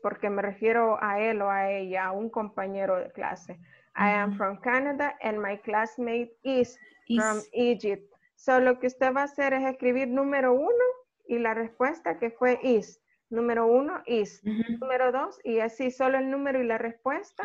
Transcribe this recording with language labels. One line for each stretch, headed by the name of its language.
Spanish: porque me refiero a él o a ella, a un compañero de clase.
English: I am from Canada and my classmate is from Egypt.
Spanish: So, lo que usted va a hacer es escribir número uno y la respuesta que fue is. Número uno, is. Número dos, y así solo el número y la respuesta.